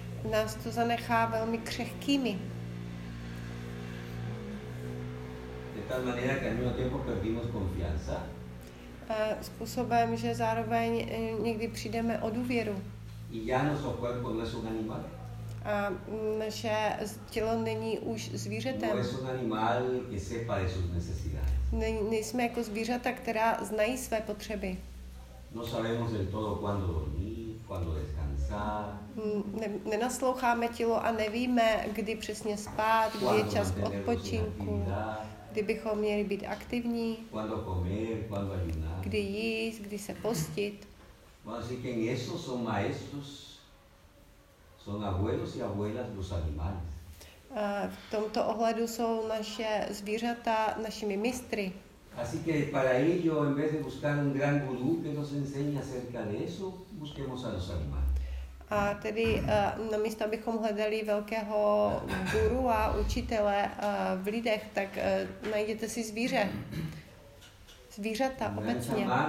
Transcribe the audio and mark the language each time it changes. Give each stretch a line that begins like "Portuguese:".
Czech: Nás to zanechá velmi křehkými.
Spanish: De tal manera que al mismo tiempo perdimos confianza.
Czech: Způsobem, že zároveň někdy přijdeme o důvěru.
Spanish: Y ya nuestro cuerpo no es un animal.
Czech: A naše tělo není už zvířetem.
Spanish: No es un animal que sepa de sus necesidades.
Czech: Nejsme jako zvířata, která znají své potřeby.
Spanish: No sabemos del todo cuándo dormir, cuándo descansar.
Czech: Nenasloucháme tělo a nevíme, kdy přesně spát, kdy je čas k odpočinku, kdy bychom měli být aktivní,
Spanish: cuándo comer, cuándo ayunar.
Czech: Kdy jíst, kdy se postit.
Spanish: Así que en eso son maestros, son abuelos y abuelas los animales.
Czech: V tomto ohledu jsou naše zvířata našimi mistry.
Spanish: Así que para ello, en vez de buscar un gran gurú que nos enseñe acerca de eso, busquemos a los animales.
Czech: A tedy namísto, abychom hledali velkého guru a učitele v lidech, tak najděte si zvíře. Zvířata obecně.